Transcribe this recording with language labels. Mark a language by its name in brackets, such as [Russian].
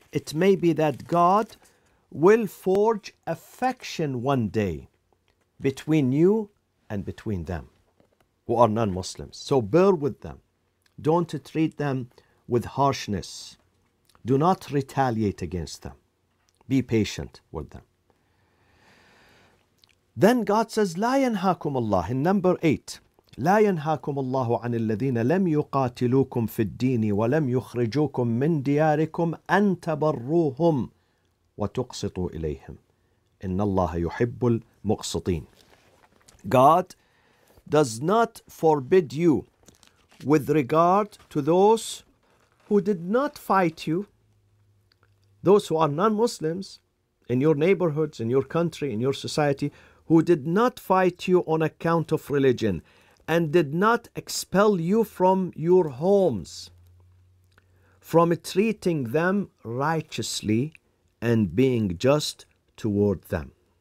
[English] It may be that God will forge affection one day between you and between them who are non-Muslims. So bear with them. Don't treat them with harshness. Do not retaliate against them. Be patient with them. Then God says, [Arabic] لا ينهاكم الله, [English] in number 8, [Arabic] لا ينهاكم الله عن الذين لم يقاتلوكم في الدين ولم يخرجوكم من دياركم أن تبروهم وتقسطوا إليهم إن الله يحب المقسطين. [English] God does not forbid you with regard to those who did not fight you, those who are non-Muslims in your neighborhoods, in your country, in your society, who did not fight you on account of religion and did not expel you from your homes, from treating them righteously and being just toward them.